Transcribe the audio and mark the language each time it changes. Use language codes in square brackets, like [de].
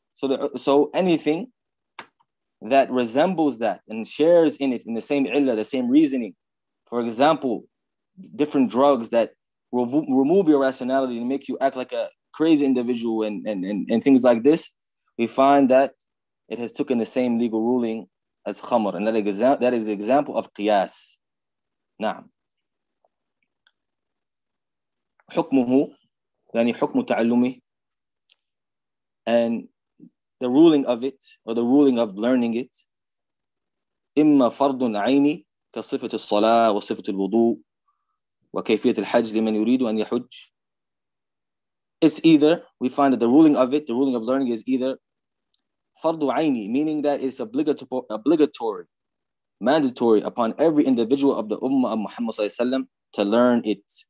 [en] So anything that resembles that and shares in it, in the same illa, the same reasoning, for example, different drugs that remove your rationality and make you act like a crazy individual and things like this, we find that it has taken the same legal ruling as khamr. And that is the example of qiyas. [ar] نعم حكمه يعني حكم تعلمه [en] and the ruling of it or the ruling of learning it [ar] إما فرض عيني كصفة الصلاة وصفة الوضوء وكيفية الحج لمن يريد أن يحج. [en] It's either, we find that the ruling of it, the ruling of learning is either فرض عيني, meaning that it's obligatory mandatory upon every individual of the Ummah of Muhammad Sallallahu Alaihi Wasallam to learn it.